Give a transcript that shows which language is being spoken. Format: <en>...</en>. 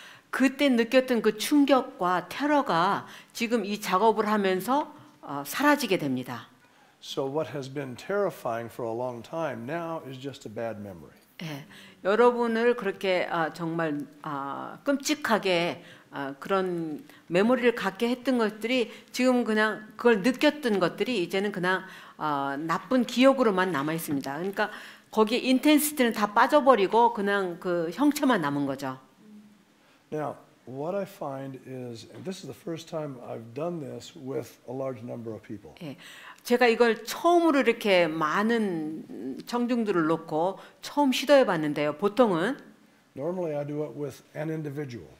<ko>그때 느꼈던 그 충격과 테러가 지금 이 작업을 하면서 사라지게 됩니다.</ko> <en>So what has been terrifying for a long time now is just a bad memory.</en> <ko>예, 여러분을 그렇게 정말 끔찍하게 그런 메모리를 갖게 했던 것들이 지금 그냥 그걸 느꼈던 것들이 이제는 그냥 나쁜 기억으로만 남아 있습니다. 그러니까 거기에 인텐시티는 다 빠져버리고 그냥 그 형체만 남은 거죠.</ko> <en>Now, what I find is, and this is the first time I've done this with a large number of people.</en> <ko>예. 제가 이걸 처음으로 이렇게 많은 청중들을 놓고 처음 시도해 봤는데요. 보통은</ko> <en>Normally I do it with an individual.</en>